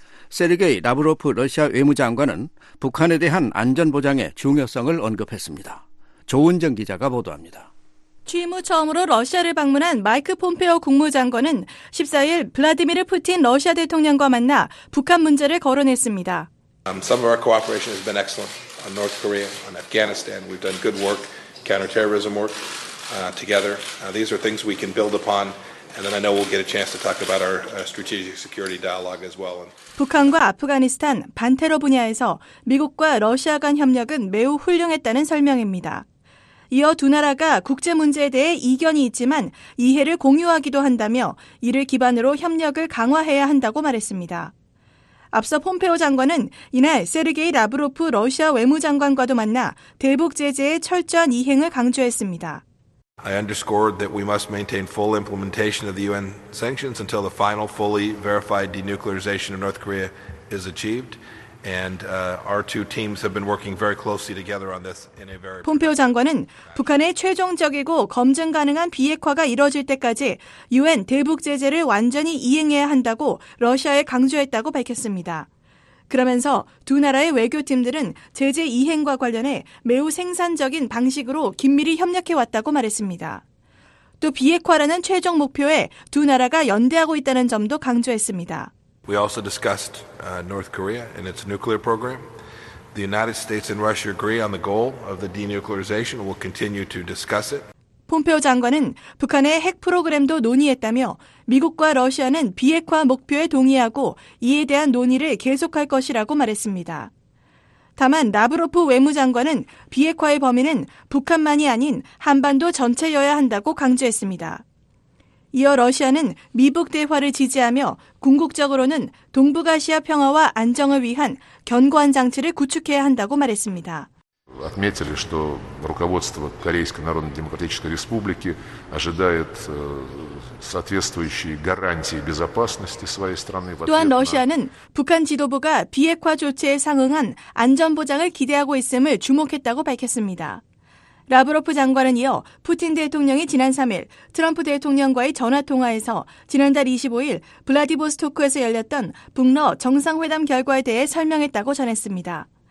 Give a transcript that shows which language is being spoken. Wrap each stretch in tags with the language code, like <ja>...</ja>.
<ko>세르게이 라브로프 러시아 외무장관은 북한에 대한 안전보장의 중요성을 언급했습니다. 조은정 기자가 보도합니다. 취임 후 처음으로 러시아를 방문한 마이크 폼페오 국무장관은 14일 블라디미르 푸틴 러시아 대통령과 만나 북한 문제를 거론했습니다.</ko> <en>Some of our cooperation has been excellent on North Korea, on Afghanistan. We've done good work, counterterrorism work together. These are things we can build upon. And then I know we'll get a chance to talk about our strategic security dialogue as well.</en> <ko>북한과 아프가니스탄 반테러 분야에서 미국과 러시아 간 협력은 매우 훌륭했다는 설명입니다. 이어 두 나라가 국제 문제에 대해 이견이 있지만 이해를 공유하기도 한다며 이를 기반으로 협력을 강화해야 한다고 말했습니다. 앞서 폼페오 장관은 이날 세르게이 라브로프 러시아 외무장관과도 만나 대북 제재의 철저한 이행을 강조했습니다.</ko> <en>I underscored that we must maintain full implementation of the UN sanctions until the final fully verified denuclearization of North Korea is achieved. And our two teams have been working very closely together on this in a very</en> <ko>폼페오 장관은 북한의 최종적이고 검증 가능한 비핵화가 이뤄질 때까지 UN 대북 제재를 완전히 이행해야 한다고 러시아에 강조했다고 밝혔습니다. 그러면서 두 나라의 외교팀들은 제재 이행과 관련해 매우 생산적인 방식으로 긴밀히 협력해왔다고 말했습니다. 또 비핵화라는 최종 목표에 두 나라가 연대하고 있다는 점도 강조했습니다.</ko> <en>We also discussed North Korea and its nuclear program. The United States and Russia agree on the goal of the denuclearization. We'll continue to discuss it.</en> <ko>폼페오 장관은 북한의 핵 프로그램도 논의했다며 미국과 러시아는 비핵화 목표에 동의하고 이에 대한 논의를 계속할 것이라고 말했습니다. 다만 라브로프 외무장관은 비핵화의 범위는 북한만이 아닌 한반도 전체여야 한다고 강조했습니다. 이어 러시아는 미북 대화를 지지하며 궁극적으로는 동북아시아 평화와 안정을 위한 견고한 장치를 구축해야 한다고 말했습니다.</ko> <ru>отметили, что руководство Корейской Народно-Демократической Республики ожидает соответствующие гарантии безопасности своей страны.</ru> <ko>또한 러시아는 북한 지도부가 비핵화 조치에 상응한 안전 보장을 기대하고 있음을 주목했다고 밝혔습니다. 라브로프 장관은 이어 푸틴 대통령이 지난 3일 트럼프 대통령과의 전화통화에서 지난달 25일 블라디보스토크에서 열렸던 북러 정상회담 결과에 대해 설명했다고 전했습니다.</ko>